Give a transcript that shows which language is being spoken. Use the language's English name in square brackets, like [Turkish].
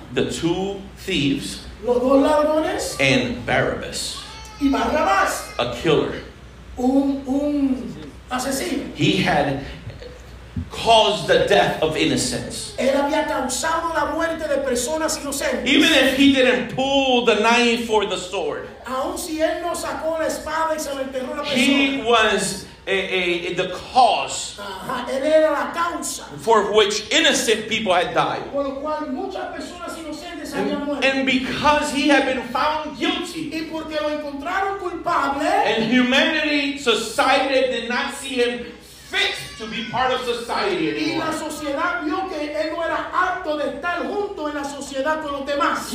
[English] The two thieves. [Spanish] Los dos ladrones. [English] And Barabbas. [Spanish] Y Barabbas. [English] A killer. [Spanish] Un asesino. [English] He had caused the death of innocents. [Spanish] Él había causado la muerte de personas inocentes. [English] Even if he didn't pull the knife or the sword. [Spanish] Aun si él no sacó la espada y se lo enterró la persona. [English] He was a the cause. [Spanish] Él era la causa. [English] For which innocent people had died. [Spanish] Por lo cual muchas personas inocentes habían muerto. [English] And because he had been found guilty. [Spanish] Y porque lo encontraron culpable. [English] And humanity, society did not see him fit to be part of society anymore. [Spanish] Y la sociedad vio que él no era apto de estar junto en la sociedad con los demás.